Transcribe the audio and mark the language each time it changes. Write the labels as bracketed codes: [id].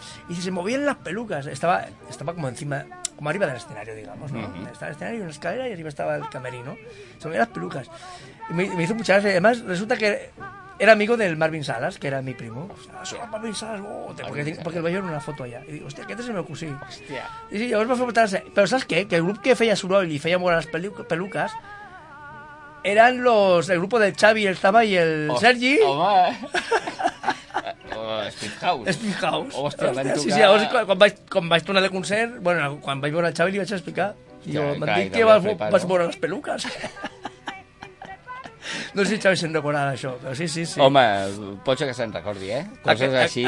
[es] Y se movían las pelucas. Estaba como encima, como arriba del escenario, digamos, ¿no? Uh-huh. Estaba el escenario, una escalera y arriba estaba el camerino. Se movían las pelucas. Y me hizo mucha gracia. Además, resulta que... Era amigo del Marvin Salas, que era mi primo. O sea, Marvin Salas, porque el veía en una foto allá. Y digo, [ca] hostia, aquest és el meu cosí. Hòstia. Y sí, llavors va fer... Però saps què? Que el grup que feia soroll i feia molt les pelucas [es] eran los el grupo de Xavi, el Zama y el Sergi. [ca] Home. Steve House. Hòstia, hòstia, sí, llavors, quan vaig tornar de concert, bueno, quan vaig veure el Xavi li vaig explicar. I jo m'han dit que vas veure les peluques. No sé si Xavi se'n recordava això, però sí, sí, sí. Home, pot ser que se'n recordi, eh? Coses així...